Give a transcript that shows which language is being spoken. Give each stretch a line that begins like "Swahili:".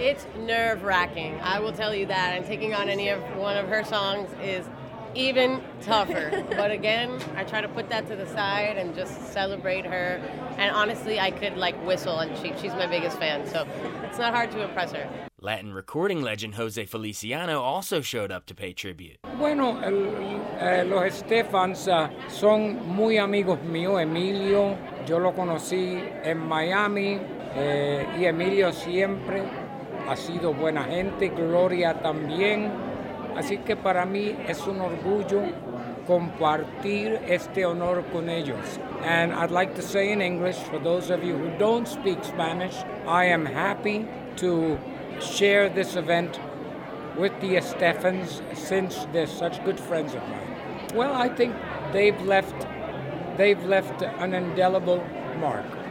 English: It's nerve-wracking, I will tell you that, and taking on any of one of her songs is even tougher. But again, I try to put that to the side and just celebrate her. And honestly, I could like whistle, and she's my biggest fan, so it's not hard to impress her. Latin recording legend Jose Feliciano also showed up to pay tribute.
Spanish: Bueno, los Estefans son muy amigos míos. Emilio, yo lo conocí en Miami, y Emilio siempre ha sido buena gente. Gloria también. Así que para mí es un orgullo compartir este honor con ellos.
English: And I'd like to say in English, for those of you who don't speak Spanish, I am happy to share this event with the Estefans, since they're such good friends of mine. Well, I think they've left an indelible mark.